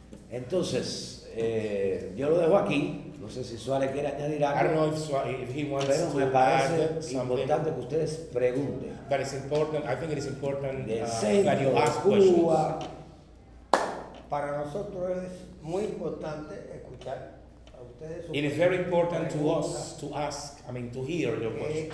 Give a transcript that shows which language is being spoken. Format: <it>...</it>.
<es>Entonces, yo lo dejo aquí. No sé si Suárez quiere añadir algo.</es> <en>I don't know if Suárez, if he wants</en> <es>pero</es> <en>to</en> <es>me parece</es> <en>something</en> <es>importante que ustedes pregunten.</es> <en>But it's important, I think it is important that you ask Cuba questions.</en> <es>Para nosotros es muy importante escuchar a ustedes.</es> <en>It is very important to us to ask, I mean to hear your questions.</en>